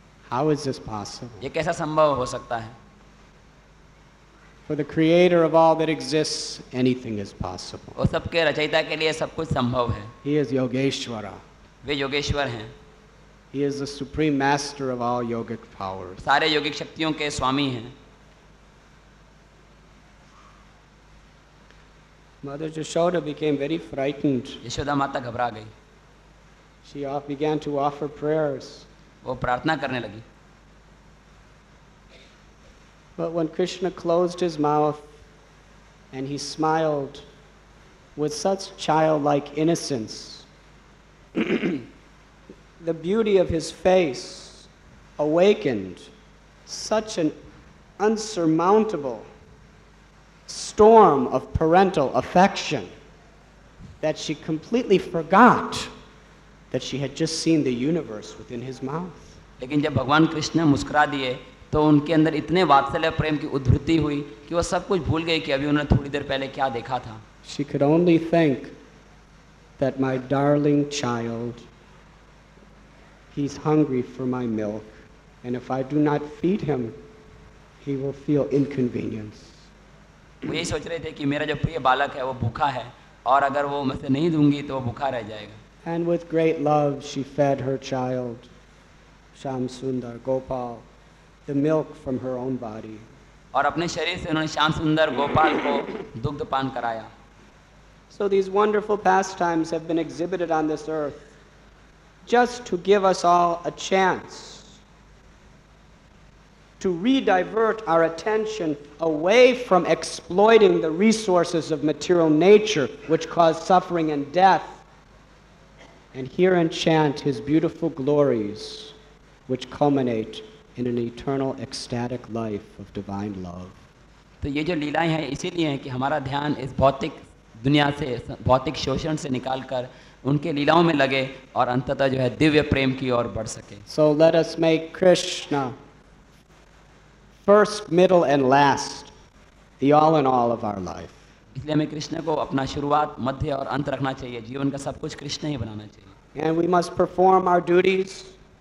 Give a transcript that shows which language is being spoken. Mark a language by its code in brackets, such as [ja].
[en] How is this possible? [hi] ये कैसा संभव हो सकता है? [en] For the creator of all that exists, anything is possible. [hi] वो सबके रचयिता के लिए सब कुछ संभव है. [en] He is Yogeshwara. [hi] वे योगेश्वर हैं. [en] He is the supreme master of all yogic powers. [hi] सारे योगिक शक्तियों के स्वामी हैं. [en] Mother Yashoda became very frightened. [hi] Yashoda माता घबरा गई. [en] She began to offer prayers. [hi] वो प्रार्थना करने लगी. [en] But when Krishna closed his mouth and he smiled with such childlike innocence, the beauty of his face awakened such an unsurmountable storm of parental affection that she completely forgot that she had just seen the universe within his mouth. [hi] लेकिन जब भगवान कृष्ण मुस्कुरा दिए तो उनके अंदर इतने वात्सल्य प्रेम की उद्धृति हुई कि वह सब कुछ भूल गए कि अभी उन्होंने थोड़ी देर पहले क्या देखा था. [en] She could only think that my darling child, he's hungry for my milk, and if I do not feed him, he will feel inconvenience. [hi] वो यही सोच रहे थे कि मेरा जो प्रिय बालक है वो भूखा है और अगर वो मुझसे नहीं दूंगी तो वो भूखा रह जाएगा. [en] And with great love she fed her child Shyam Sundar Gopal the milk from her own body. [hi] और अपने शरीर से उन्होंने श्याम सुंदर गोपाल को दुग्धपान कराया. [en] So these wonderful pastimes have been exhibited on this earth just to give us all a chance to re-divert our attention away from exploiting the resources of material nature which cause suffering and death, and here enchant his beautiful glories which culminate in an eternal ecstatic life of divine love. [hi] तो ये जो लीलाएं हैं इसीलिए हैं कि हमारा ध्यान इस भौतिक दुनिया से भौतिक शोषण से निकालकर उनके लीलाओं में लगे और अंततः जो है दिव्य प्रेम की ओर बढ़ सके. [en] So let us make Krishna first, middle and last the all in all of our life. [hi] इसलिए हमें कृष्ण को अपना शुरुआत मध्य और अंत रखना चाहिए, जीवन का सब कुछ कृष्ण ही बनाना चाहिए. [en] And we must perform our duties